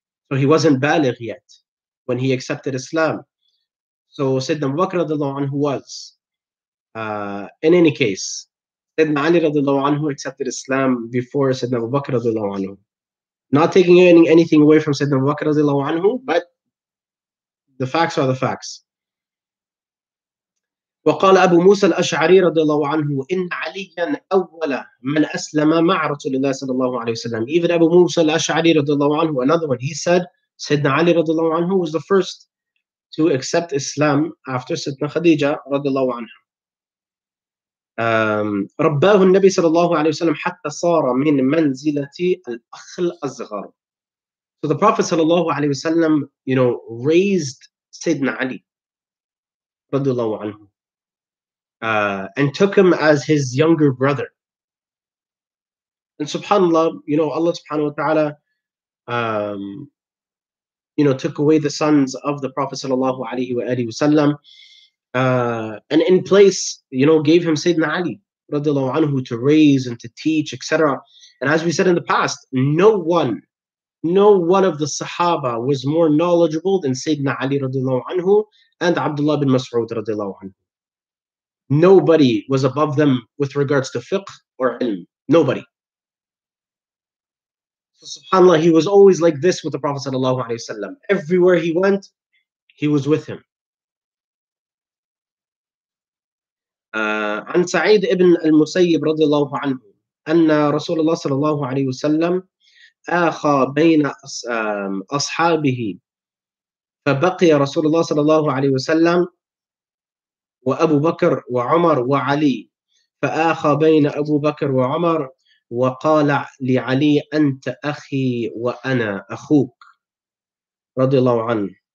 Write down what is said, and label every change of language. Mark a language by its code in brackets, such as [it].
[en] So he wasn't baligh yet when he accepted Islam. So Sayyidina Abu Bakr radiallahu anhu was. In any case, Sayyidina Ali radiallahu anhu accepted Islam before Sayyidina Abu Bakr radiallahu anhu. Not taking anything away from Sayyidina Abu Bakr radiallahu anhu, but the facts are the facts. [ar] وقال أبو موسى الأشعري رضي الله عنه إن عليا أول من أسلم مع رسول الله صلى الله عليه وسلم. [en] Even Abu Musa al-Ash'ari [ar] رضي الله عنه, [en] another one, he said [ar] سيدنا علي رضي الله عنه [en] was the first to accept Islam after [ar] سيدنا خديجة رضي الله عنها. رباه النبي صلى الله عليه وسلم حتى صار من منزلة الأخ الأصغر. [en] So the Prophet [ar] صلى الله عليه وسلم, [en] you know, raised [ar] سيدنا علي رضي الله عنه. [en] And took him as his younger brother. And subhanAllah, you know, Allah subhanahu wa ta'ala, you know, took away the sons of the Prophet sallallahu alayhi wa alihi wa sallam, and in place, you know, gave him Sayyidina Ali radiallahu anhu to raise and to teach, etc. And as we said in the past, no one of the Sahaba was more knowledgeable than Sayyidina Ali radiallahu anhu and Abdullah bin Mas'ud radiallahu anhu. Nobody was above them with regards to fiqh or ilm. Nobody. So subhanAllah, he was always like this with the Prophet sallallahu alayhi wa sallam. Everywhere he went, he was with him. [ar] عن سعيد ابن المسيب رضي الله عنه أن رسول الله صلى الله عليه وسلم آخى بين أصحابه فبقي رسول الله صلى الله عليه وسلم وأبو بكر وعمر وعلي فآخى بين أبو بكر وعمر وقال لعلي أنت أخي وأنا أخوك رضي الله عنه.